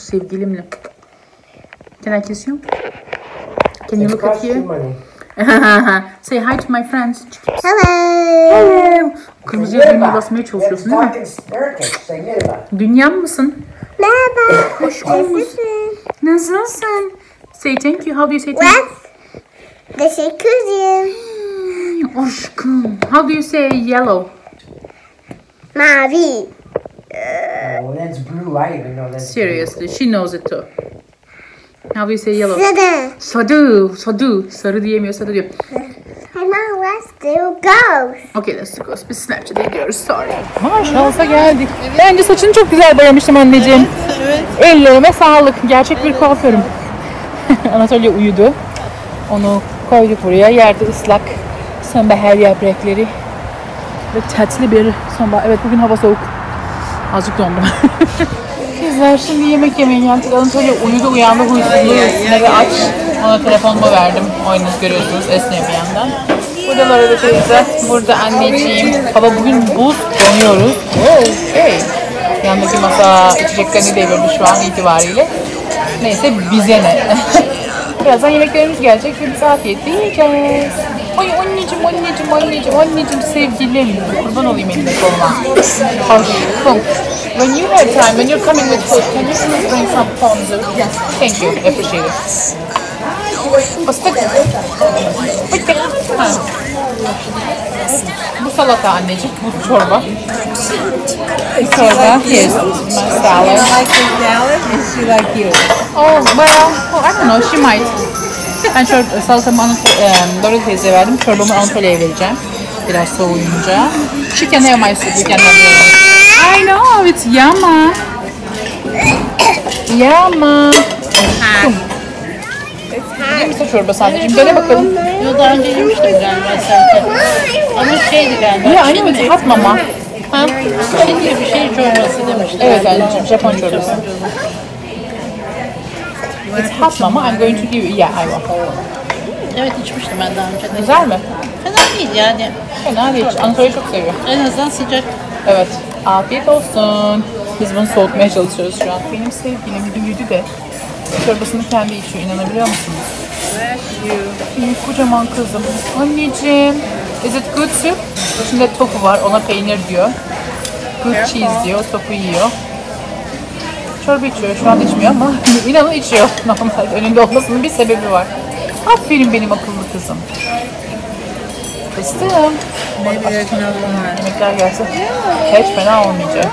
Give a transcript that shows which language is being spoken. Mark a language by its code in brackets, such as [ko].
[tr] Sevgilimle. Kenar kesiyorum. Kendimi katıyorum. [en] Say hi to my friends. Hello. Hello. [tr] Kırmızı yerine basmaya çalışıyorsun değil mi? Dünya mısın? Merhaba. Hoş geldin. Nasılsın? [en] Say thank you. How do you say thank you? [tr] Teşekkür ederim. Aşkım. [en] How do you say yellow? [tr] Mavi. [en] Oh, that's blue. I even know that. Seriously, she knows it too. How do you say yellow? [tr] Sadu. Sadu. Sadu. Sarı diyemiyor, sadu diyor. [en] Hemen let's do ghost. Okay, let's do ghost. [tr] Biz Snapchat'e gidiyoruz. [en] Sorry. [tr] Maşallah geldik. Evet. Bence saçını çok güzel boyamıştım anneciğim. Evet, evet. Ellerime sağlık. Gerçek evet, bir kuaförüm. Anatolia uyudu. Onu koyduk buraya. Yerde ıslak. Sonbahar yaprakları. Ve tatlı bir sonbahar. Evet, bugün hava soğuk. Azıcık dondum. Kızlar şimdi yemek yemeyin. Yani Anatolia uyudu, uyandı, huysuzluğu üstüne ve aç. Ona telefonumu verdim. Oyunuz görüyorsunuz, esniyor bir yandan. Burada Laura da teyze, burada anneciğim. Hava bugün buz, donuyoruz. Hey. Yandaki masa içeceklerini devirdi şu an itibariyle. Neyse, bize ne? Birazdan yemeklerimiz gelecek ve biz afiyetle yiyeceğiz. Ay anneciğim, anneciğim, anneciğim, anneciğim, sevgilim. Kurban olayım elinde koluma. Aşkım. [en] When you have time, when you're coming with food, can you please bring some ponzu? Yes. Thank you. I appreciate it. [tr] Fıstık. Fıstık. Bu salata anneciğim, bu çorba. Bu çorba. [en] Yes. My salad. Do you like the salad? Is she like you? Oh, well, oh, I don't know. She might. [tr] Ben salatamı Laura teyzeye verdim. Çorbamı Anatolia'ya vereceğim. Biraz soğuyunca. [en] She can have my soup. I know, it's yummy. Yummy. It's hot. [tr] yedin mi çorba sandviçim? Döne bakalım. Yok, daha önce yemiştim galiba sandviçim. Ama şeydi galiba. Ya aynı mı? Tat mama. Ha? Şimdi bir şey çorbası demiştim. Evet anneciğim, Japon çorbası. [en] It's hot mama, I'm going to give you, yeah, I will. [tr] Evet, içmiştim ben daha önce. Güzel mi? Fena değil yani. Fena değil, Ankara'yı çok seviyor. En azından sıcak. Evet, afiyet olsun. Biz bunu soğutmaya çalışıyoruz şu an. Benim sevgilim büyüdü de çorbasını kendi içiyor, inanabiliyor musunuz? [en] Bless you. [tr] İyi, kocaman kızım. [en] Anneciğim, is it good soup? [tr] İçinde tofu var, ona peynir diyor. [en] Good cheese [tr] diyor, tofu yiyor. Çorba içiyor, şu an içmiyor ama inanın içiyor. Normalde önünde olmasının bir sebebi var. Aferin benim akıllı kızım. Kıstım. Yemekler gelsin. Hiç fena olmayacak.